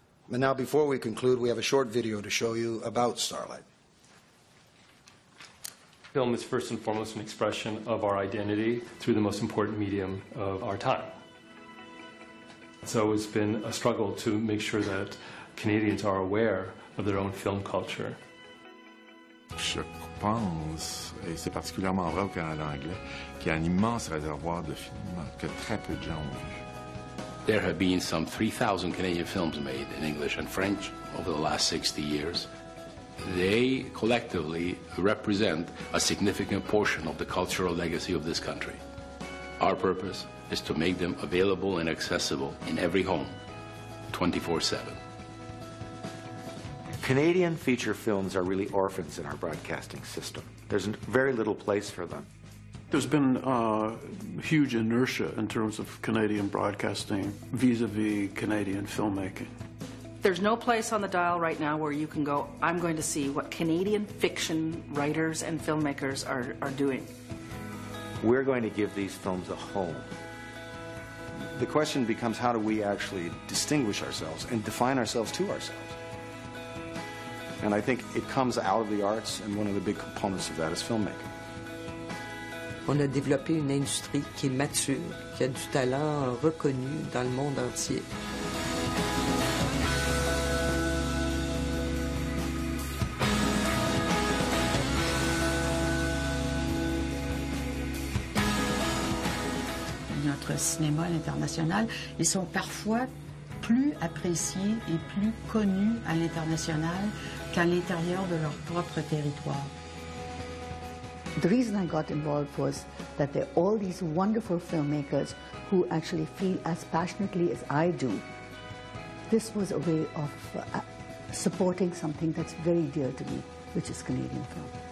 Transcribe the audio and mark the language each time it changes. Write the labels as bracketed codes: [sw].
[en] And now, before we conclude, we have a short video to show you about Starlight. Film is first and foremost an expression of our identity through the most important medium of our time. So it's been a struggle to make sure that Canadians are aware of their own film culture. [fr] Je pense, et c'est particulièrement vrai au Canada anglais, qu'il y a un immense réservoir de films que très peu de gens ont vu. [en] There have been some 3,000 Canadian films made in English and French over the last 60 years. They collectively represent a significant portion of the cultural legacy of this country. Our purpose is to make them available and accessible in every home, 24/7. Canadian feature films are really orphans in our broadcasting system. There's very little place for them. There's been huge inertia in terms of Canadian broadcasting vis-a-vis Canadian filmmaking. There's no place on the dial right now where you can go, I'm going to see what Canadian fiction writers and filmmakers are doing. We're going to give these films a home. The question becomes, how do we actually distinguish ourselves and define ourselves to ourselves? And I think it comes out of the arts, and one of the big components of that is filmmaking. [fr] On a développé une industrie qui est mature, qui a du talent reconnu dans le monde entier. Notre cinéma à l'international, ils sont parfois plus appréciés et plus connus à l'international qu'à l'intérieur de leur propre territoire. [en] The reason I got involved was that there are all these wonderful filmmakers who actually feel as passionately as I do. This was a way of supporting something that's very dear to me, which is Canadian film.